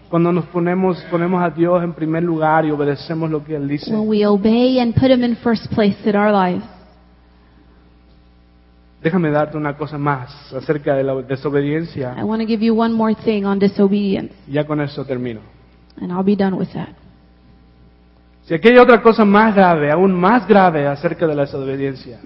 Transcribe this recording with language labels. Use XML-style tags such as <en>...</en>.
<es>Cuando nos ponemos a Dios en primer lugar y obedecemos lo que Él dice.</es> <en>When we obey and put Him in first place in our lives.</en> <es>Déjame darte una cosa más acerca de la desobediencia.</es> <en>I want to give you one more thing on disobedience.</en> <es>Ya con eso termino.</es> <en>And I'll be done with that.</en> <es>Si aquí hay otra cosa más grave, aún más grave acerca de la desobediencia.</es>